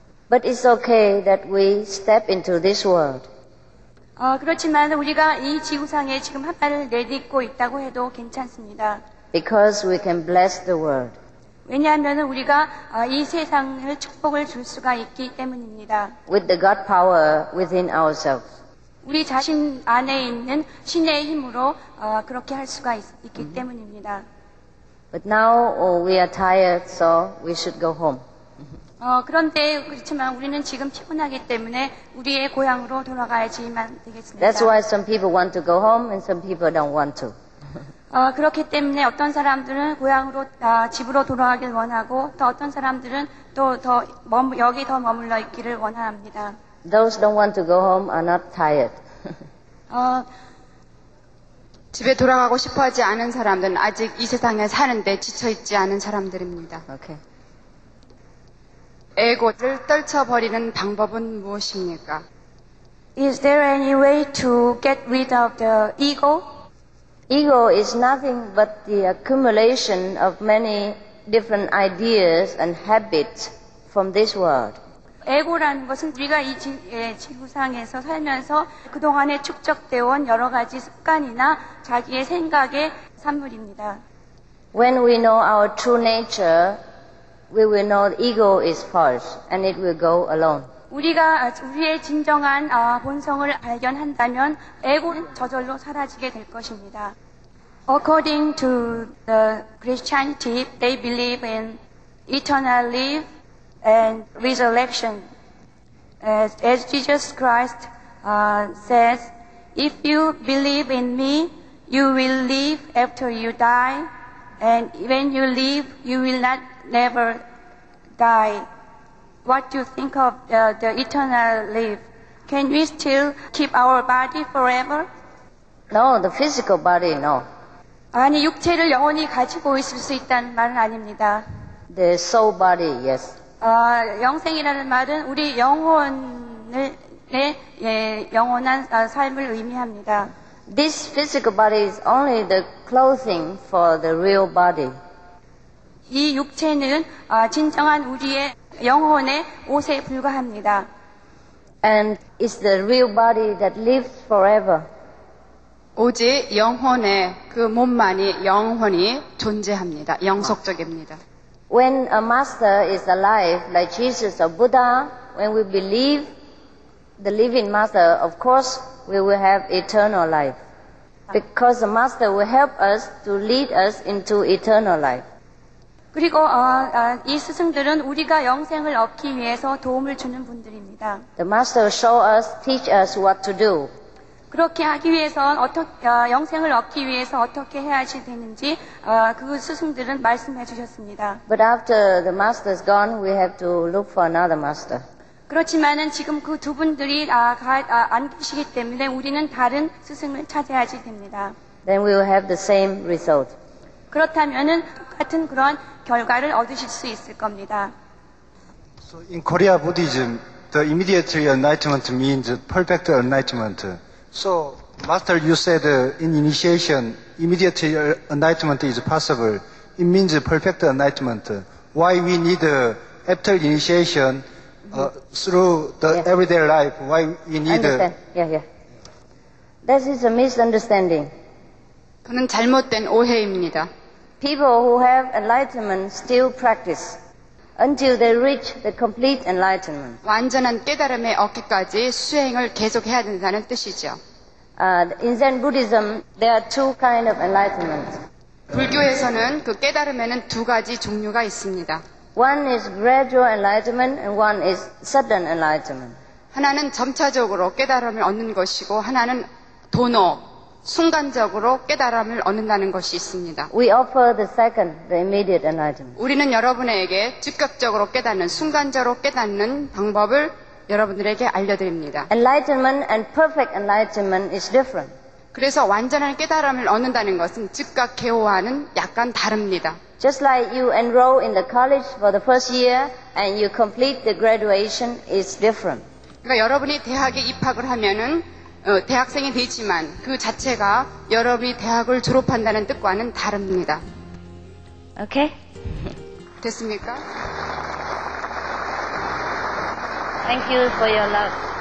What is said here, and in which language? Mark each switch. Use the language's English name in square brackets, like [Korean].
[English] But it's okay that we step into this world. [Korean] 그렇지만 우리가 이 지구상에 지금 한 발을 내딛고 있다고 해도 괜찮습니다. [English] Because we can bless the world. [Korean] 왜냐하면 우리가 이 세상을 축복을 줄 수가 있기 때문입니다. [English] With the God power within ourselves. [Korean] 우리 자신 안에 있는 신의 힘으로 그렇게 할 수가 있기 때문입니다. [English] But now we are tired, so we should go home. [Korean] 그런데 그렇지만 우리는 지금 피곤하기 때문에 우리의 고향으로 돌아가야지만 되겠습니다. [English] That's why some people want to go home and some people don't want to. [Korean] 그렇기 때문에 어떤 사람들은 고향으로 집으로 돌아가길 원하고 또 어떤 사람들은 또 여기 더 머물러 있기를 원합니다. [English] Those don't want to go home are not tired. [Korean] 집에 돌아가고 싶어하지 않은 사람들은 아직 이 세상에 사는데 지쳐 있지 않은 사람들입니다. [English] Okay. [Korean] 에고를 떨쳐버리는 방법은 무엇입니까? [English] Is there any way to get rid of the ego? Ego is nothing but the accumulation of many different ideas and habits from this world. [Korean] 에고라는 것은 우리가 이 지구상에서 살면서 그동안에 축적되어온 여러 가지 습관이나 자기의 생각의 산물입니다. [English] When we know our true nature, we will know ego is false and it will go alone. [Korean] 우리가 우리의 진정한 본성을 발견한다면 에고는 저절로 사라지게 될 것입니다. [English] According to the Christianity, they believe in eternal life and resurrection. As Jesus Christ says, if you believe in me, you will live after you die, and when you live, you will not never die. What do you think of the eternal life? Can we still keep our body forever? No, the physical body, no. [Korean] 아니, 육체를 영원히 가지고 있을 수 있다는 말은 아닙니다. [English] The soul body, yes. [Korean] 영생이라는 말은 우리 영혼을, 네, 예, 영원한 삶을 의미합니다. [English] This physical body is only the clothing for the real body. [Korean] 이 육체는 진정한 우리의 영혼의 옷에 불과합니다. [English] And it's the real body that lives forever. [Korean] 오직 영혼의 그 몸만이 영혼이 존재합니다. 영속적입니다. [English] When a master is alive, like Jesus or Buddha, when we believe the living master, of course we will have eternal life. Because the master will help us to lead us into eternal life. [Korean] 그리고 이 스승들은 우리가 영생을 얻기 위해서 도움을 주는 분들입니다. [English] The master will show us, teach us what to do. [Korean] 그렇게 하기 위해선 영생을 얻기 위해서 어떻게 해야지 되는지 그 스승들은 말씀해 주셨습니다. [English] But after the master is gone, we have to look for another master. [Korean] 그렇지만은 지금 그 두 분들이 안 계시기 때문에 우리는 다른 스승을 찾아야지 됩니다. [English] Then we will have the same result. [Korean] 그렇다면은 같은 그런 결과를 얻으실 수 있을 겁니다. [English] So in Korea Buddhism, the immediate enlightenment means perfect enlightenment. So, Master, you said in initiation, immediate enlightenment is possible. It means perfect enlightenment. Why we need after initiation through the everyday life? Why we need? Understand? This is a misunderstanding. [Korean] 그는 잘못된 오해입니다. [English] People who have enlightenment still practice until they reach the complete enlightenment. [Korean] 완전한 깨달음에 얻기까지 수행을 계속해야 된다는 뜻이죠. [English] In Zen Buddhism, there are two kinds of enlightenment. [Korean] 불교에서는 그 깨달음에는 두 가지 종류가 있습니다. [English] One is gradual enlightenment and one is sudden enlightenment. [Korean] 하나는 점차적으로 깨달음을 얻는 것이고 하나는 도노, 순간적으로 깨달음을 얻는다는 것이 있습니다. [English] We offer the second, the immediate enlightenment. [Korean] 우리는 여러분에게 즉각적으로 깨닫는, 순간적으로 깨닫는 방법을 여러분들에게 알려드립니다. [English] Enlightenment and perfect enlightenment is different. [Korean] 그래서 완전한 깨달음을 얻는다는 것은 즉각 개호와는 약간 다릅니다. [English] Just like you enroll in the college for the first year and you complete the graduation is different. [Korean] 그러니까 여러분이 대학에 입학을 하면은 대학생이 되지만 그 자체가 여러분이 대학을 졸업한다는 뜻과는 다릅니다. 오케이. 됐습니까? [English] Thank you for your love.